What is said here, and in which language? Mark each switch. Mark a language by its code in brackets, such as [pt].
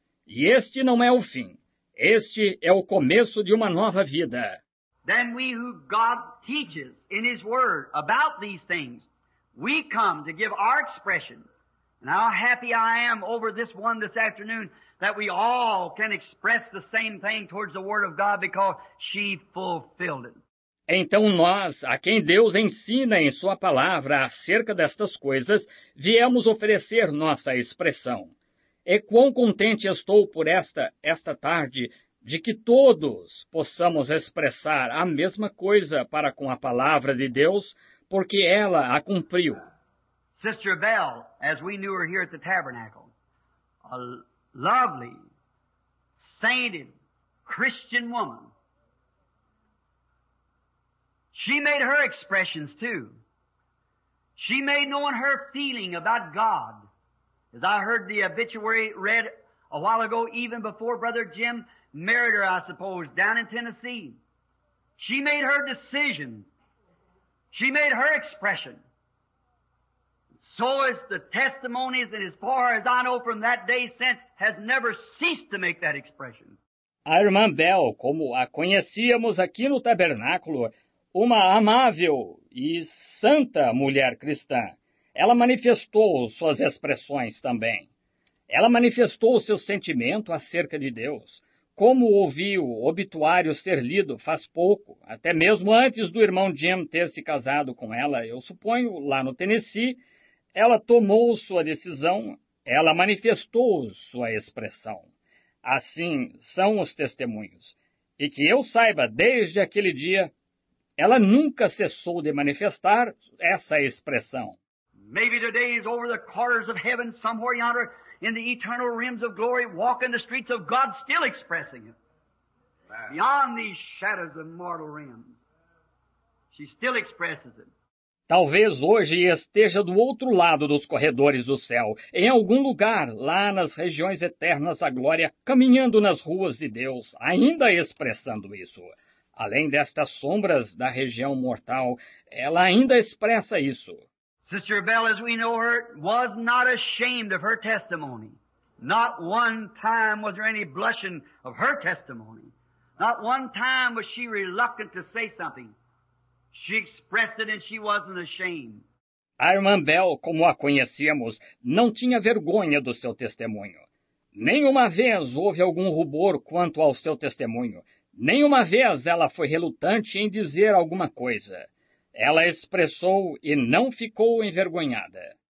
[pt] E este não é o fim. Este é o começo de uma nova vida. [en] Then we who God teaches in His Word about these things, we come to give our expression. And how happy I am over this one this afternoon that we all can express the same thing towards the Word of God because she fulfilled it. [pt] Então nós, a quem Deus ensina em Sua Palavra acerca destas coisas, viemos oferecer nossa expressão. E quão contente estou por esta tarde de que todos possamos expressar a mesma coisa para com a Palavra de Deus, porque ela a cumpriu. [en] Sister Bell, as we knew her here at the tabernacle, a lovely, sainted Christian woman, she made her expressions too. She made known her feeling about God. As I heard the obituary read a while ago, even before Brother Jim married her, I suppose, down in Tennessee, she made her decision. She made her expression. So is the testimonies, and as far as I know from that day since, has never ceased to make that expression. [pt] A irmã Bell, como a conhecíamos aqui no tabernáculo, uma amável e santa mulher cristã, ela manifestou suas expressões também. Ela manifestou o seu sentimento acerca de Deus, como ouviu o obituário ser lido faz pouco, até mesmo antes do irmão Jim ter se casado com ela, eu suponho, lá no Tennessee. Ela tomou sua decisão, ela manifestou sua expressão. Assim são os testemunhos. E que eu saiba, desde aquele dia, ela nunca cessou de manifestar essa expressão. [en] Maybe today is over the corners of heaven, somewhere yonder, in the eternal realms of glory, walking the streets of God, still expressing it. Beyond these shadows of mortal realms, she still expresses it. [pt] Talvez hoje esteja do outro lado dos corredores do céu, em algum lugar, lá nas regiões eternas da glória, caminhando nas ruas de Deus, ainda expressando isso. Além destas sombras da região mortal, ela ainda expressa isso. [en] Sister Bell, as we know her, was not ashamed of her testimony. Not one time was there any blushing of her testimony. Not one time was she reluctant to say something. She expressed it and she wasn't ashamed. [pt] A irmã Bell, como a conhecíamos, não tinha vergonha do seu testemunho. Nenhuma vez houve algum rubor quanto ao seu testemunho. Nenhuma vez ela foi relutante em dizer alguma coisa. Ela expressou e não ficou envergonhada.